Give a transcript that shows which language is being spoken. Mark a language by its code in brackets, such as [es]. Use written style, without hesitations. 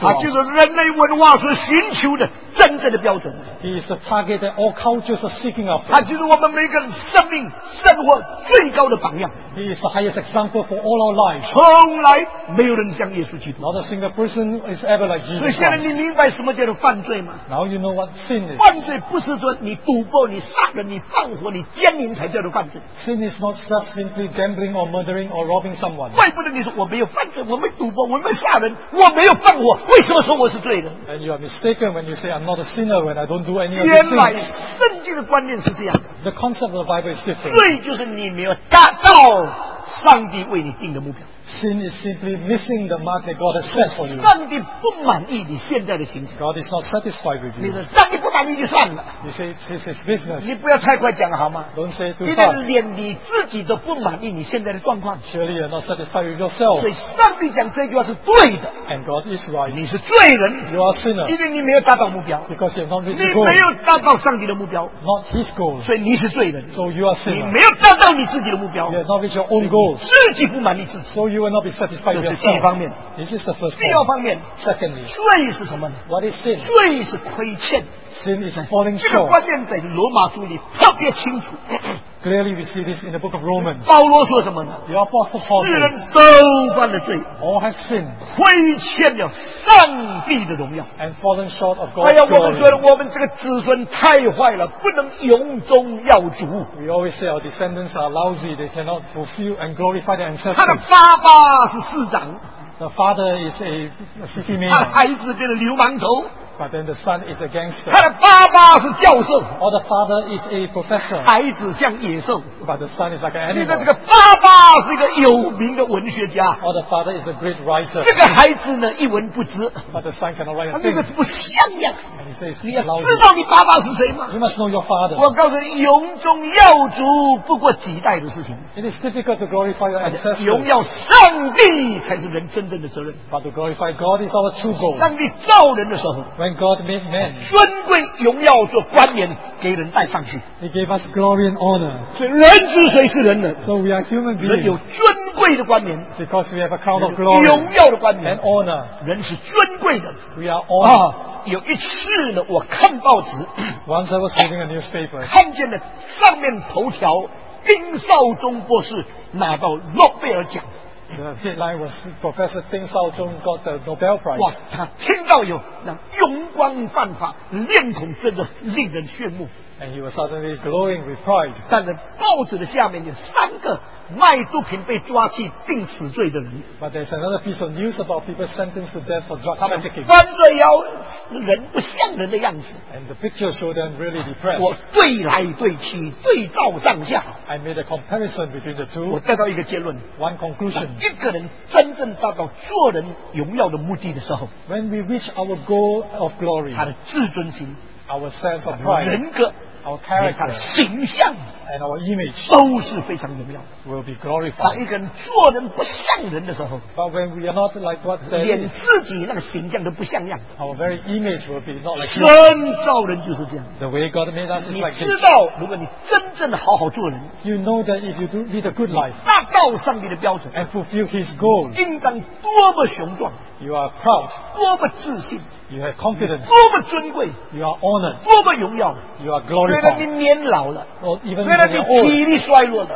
[zh] 他就是人类文化所寻求的真正的标准 [en] He is the target that all cultures are seeking after. [zh] 他就是我们每个人生命生活最高的榜样 [en] He is the highest example for all our lives. [zh] 从来没有人像耶稣基督 [en] Not a single person is ever like Jesus. [zh] 所以现在你明白什么叫做犯罪吗 [en] Now you know what sin is. [zh] 犯罪不是说你赌博你杀人你放火你奸淫才叫做犯罪 [en] Sin is not just simply gambling or murdering or robbing someone. [zh] 怪不得你说我没有犯罪，我没赌博，我没杀人，我没有犯我，为什么说我是罪的 [en] ？And you are mistaken when you say I'm not a sinner when I don't do any of these things. [zh] 原来圣经的观念是这样。 [en] The concept of the Bible is different. [zh] 罪就是你没有达到上帝为你定的目标。 [en] Sin is simply missing the mark that God has set for you. [zh] 上帝不满意你现在的形式。 [en] God is not satisfied with you. [zh] 你说上帝不满意就算了。 [en] You say this is business. [zh] 你不要太快讲好吗 [en] ？Don't say too fast. [zh] 你连你自己都不满意你现在的状况。 [en] Surely you're not satisfied with yourself. [zh] 所以上帝讲这句话是对的。 [en] And God is right. [zh] 你是罪人。 [en] You are sinner. [zh] 因为你没有达到目标。 [en] Because you have not reached the goal. [zh] 你没有达到上帝的目标。 [en] Not His goal. [zh] 所以你是罪人。 [en] So you are sinner. [zh] 你没有达到你自己的目标。 [en] You have not reached your own goal. [zh] 自己不满意自己。 [en] So you will not be satisfied with yourself. [zh] 这是第一方面。 [en] This is the first point. [zh] 第二方面。 [en] Secondly. [zh] 罪是什么呢 [en] ？What is sin? [zh] 罪是亏欠。 [en] Sin is falling short. [zh] 这个观念在罗马书里特别清楚。 [en] Clearly, we see this in the book of Romans. [zh] 保罗说什么呢 [en] ？The apostle Paul. [zh] 世人都犯了罪。 [en] All has sinned. [zh] 亏欠了上帝的荣耀。 [en] And fallen short of God's glory. [zh] 哎呀，我们觉得我们这个子孙太坏了，不能永宗耀祖。 [en] We always say our descendants are lousy. They cannot fulfill and glorify their ancestors. [zh] 他的爸爸是市长。 [en] The father is a city man. [zh] 他的孩子变成流氓头。 [en] But then the son is a gangster. [zh] 他的爸爸是教授。 [en] Or the father is a professor. [zh] 孩子像野兽。 [en] But the son is like an animal. [zh] 这个爸爸是一个有名的文学家。 [en] Or the father is a great writer. [zh] 这个孩子呢一文不值。 [en] But the son cannot write a thing. [zh] 那个不像样。 [en] And he says, [zh] 你要知道你爸爸是谁吗 [en] ？You must know your father. [zh] 我告诉你，荣中耀祖不过几代的事情。 [en] It is difficult to glorify your ancestors. [zh] 荣耀上帝才是人真正的责任。 [en] But to glorify God is our true goal. [zh] 上帝造人的时候。 [en] God made man. [zh] 尊贵荣耀做冠冕给人戴上去。 [en] He gave us glory and honor. [zh] 人之谁是人呢 [en] ？So we are human beings. [zh] 人们有尊贵的冠冕 [en] because we have a crown of glory [zh] 荣耀的冠冕 [en] and honor [zh] 人是尊贵的 [en] we are honored、 [zh] 有一次呢我看报纸 [en] once I was reading a newspaper [zh] 看见了上面头条丁少中博士拿到诺贝尔奖 [en] the headline was Professor 丁少中 got the Nobel Prize [zh] 哇他听到有那荣光焕发脸孔真的令人炫目 [en] And he was suddenly glowing with pride. [zh] 但是报纸的下面有三个卖毒品被抓去定死罪的人。 [en] But there's another piece of news about people sentenced to death for drug trafficking. [zh] 他们弯着腰，人不像人的样子。 [en] And the picture showed them really depressed. [zh] 我对来对去，对照上下。 [en] I made a comparison between the two. [zh] 我得到一个结论。 [en] One conclusion. [zh] 一个人真正达到做人荣耀的目的的时候 [en] ，When we reach our goal of glory， [zh] 他的自尊心。 [en] Our sense of pride, [zh] 人格 [en] our character, [zh] 形象 [en] and our image [zh] 都是非常荣耀 [en] will be glorified. [zh] 当一个人做人不像人的时候 [en] But when we are not like what they [zh] 连自己那个形象都不像样 [en] Our very image will be not like [zh] 神造人就是这样 [en] The way God made us is like this [zh] 你知道如果你真正好好做人 [en] You know that if you do lead a good life [zh] 达到上帝的标准 [en] And fulfill his goal [zh] 应当多么雄壮 [en] You are proud [zh] 多么自信 [en] You have confidence. [zh] 多么尊贵 [en] You are honored. [zh] 多么荣耀 [en] You are glorified. [zh] 虽然你年老了 [en] or even [zh] 虽然你体力衰弱了